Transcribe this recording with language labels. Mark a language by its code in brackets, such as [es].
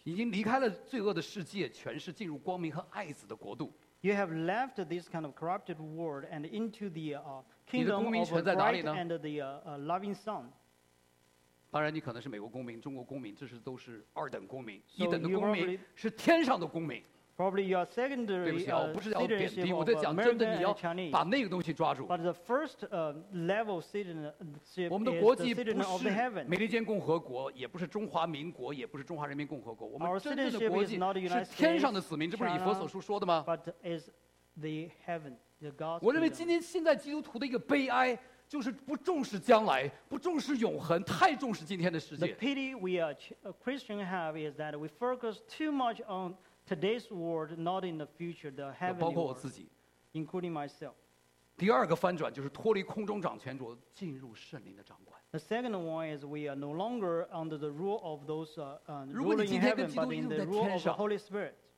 [zh] 已经离开了罪恶的世界，全是进入光明和爱子的国度。 [en] You have left this kind of corrupted world and into the kingdom of God and the loving Son. [zh] 当然你可能是美国公民、中国公民，这是都是二等公民，一等的公民是天上的公民。 [en] Probably your secondary, [zh] 对不起啊，我不是要贬低，我在讲真的，你要把那个东西抓住。 [en] But the first level citizenship. [zh] 我们的国籍不是美利坚共和国，也不是中华民国，也不是中华人民共和国。我们真正的国籍是天上的子民，这不是以弗所书说的吗 [en] ？But is the heaven, the God's. [zh] 我认为今天现在基督徒的一个悲哀，就是不重视将来，不重视永恒，太重视今天的世界。 [en] The pity we are Christians have is that we focus too much on today's world, not in the future, the heavenly world. [zh] 包括我自己 [en] ，including myself. [zh] 第二个翻转就是脱离空中掌权者，进入圣灵的掌管。 [en] The second one is we are no longer under the rule of those ruling in heaven, but in the rule of the Holy Spirit.